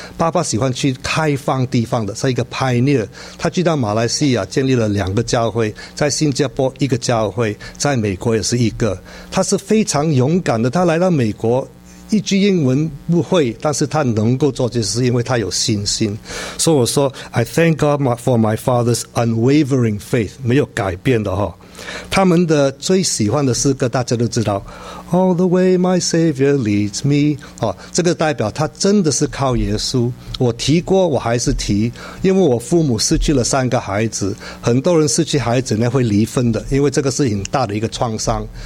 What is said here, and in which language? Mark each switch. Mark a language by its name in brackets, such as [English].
[Chinese] 爸爸喜欢去开放地方的，是一个 pioneer。他去到马来西亚建立了两个教会，在新加坡一个教会，在美国也是一个。他是非常勇敢的，他来到美国一句英文不会，但是他能够做，就是因为他有信心。所以我说 [English] I thank God for my father's unwavering faith， [Chinese] 没有改变的哈。他们的最喜欢的诗歌大家都知道， [English] All the way my Savior leads me， [Chinese] 这个代表他真的是靠耶稣。我提过我还是提，因为我父母失去了三个孩子，很多人失去孩子呢会离婚的，因为这个是很大的一个创伤。